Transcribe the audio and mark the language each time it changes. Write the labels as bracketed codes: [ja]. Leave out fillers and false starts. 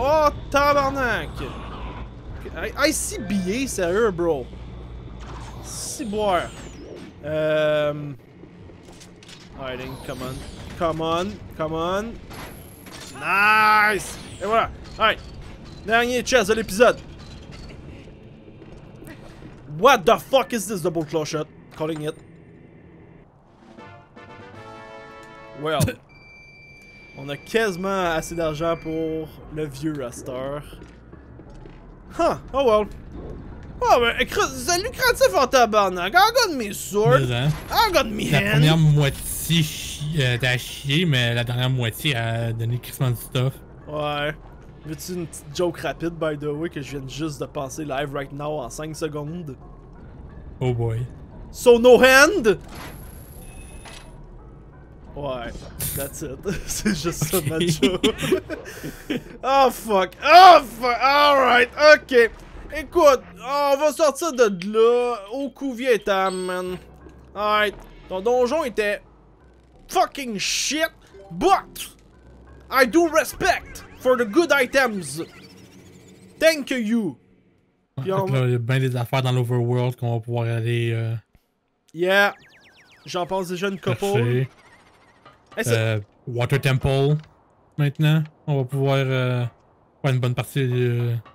[fr] Oh, tabarnak! [en] I see BA, [fr] sérieux, bro! C'est bon! [en] Hiding, come on! Nice! [fr] Et voilà, [en] alright! [fr] Dernier chest de l'épisode! [en] What the fuck is this double claw shot? Calling it. Well. [fr] On a quasiment assez d'argent pour le vieux raster. [en] Huh, oh well. [fr] Oh, mais c'est lucratif en tabarnak! [en] I got me sword! [fr] Hein? [en] I got me [fr] la [en] hand! [fr] La première moitié t'as chié, mais la dernière moitié a donné crissement du stuff. Ouais. Veux-tu une petite joke rapide, [en] by the way, [fr] que je viens juste de penser [en] live right now [fr] en 5 secondes? [en] Oh boy. So no hand? [fr] Ouais, [en] that's it. [fr] C'est juste ça, [en] okay. Macho. Oh fuck. Alright, ok. [fr] Écoute, on va sortir de là. Au couvier, man. [en] Alright. [fr] Ton donjon était... [en] fucking shit. But... I do respect for the good items. Thank you. [fr] Il y a bien des affaires dans l'overworld qu'on va pouvoir aller... [en] Yeah. [fr] J'en pense déjà une couple. Merci. [en] Water Temple. [fr] Maintenant, on va pouvoir... faire une bonne partie de...